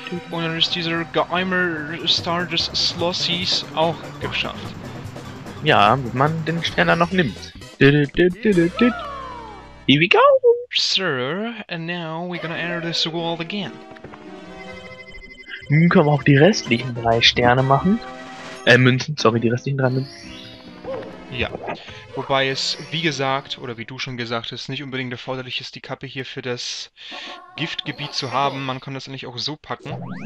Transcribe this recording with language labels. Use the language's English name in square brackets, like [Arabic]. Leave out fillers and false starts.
[German] Und dann ist dieser Geheimer Star des Slossies auch geschafft. Ja, wenn man den Stern dann noch nimmt. [English] Here we go! Sir, and now we're gonna enter this world again. [German] Nun können wir auch die restlichen drei Sterne machen. Münzen, sorry, die restlichen drei Münzen. Ja. Wobei es, wie gesagt, oder wie du schon gesagt hast, nicht unbedingt erforderlich ist, die Kappe hier für das Giftgebiet zu haben. Man kann das eigentlich auch so packen.